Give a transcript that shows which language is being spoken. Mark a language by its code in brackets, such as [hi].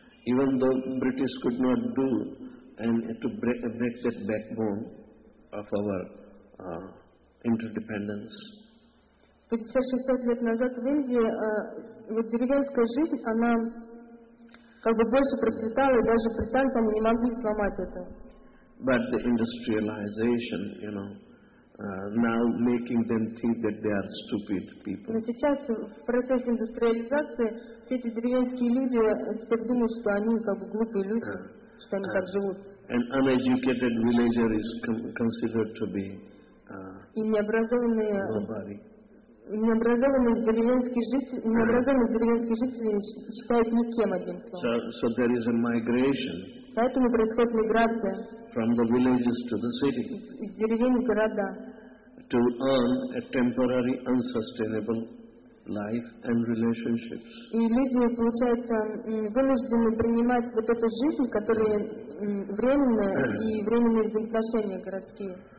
[en] even though British could not do and to break that backbone of our interdependence. [ru] 500-600 лет назад в Индии вот деревенская жизнь, она как бы больше процветала, и даже британцы не могли сломать это. [en] But the industrialization, you know, now making them think that they are stupid people. [ru] Но сейчас в процессе индустриализации все эти деревенские люди теперь думают, что они как бы глупые люди, что они так живут. [en] An uneducated villager is considered to be nobody. [ru] Необразованный деревенский житель считает никем, одним словом. [en] So there is a migration. [ru] Поэтому происходит миграция. [en] From the villages to the city. [ru] Из деревень в города. [en] To earn a temporary unsustainable life and relationships. [ru] И люди, получается, вынуждены принимать вот эту жизнь, которая временная, и временные взаимоотношения городские.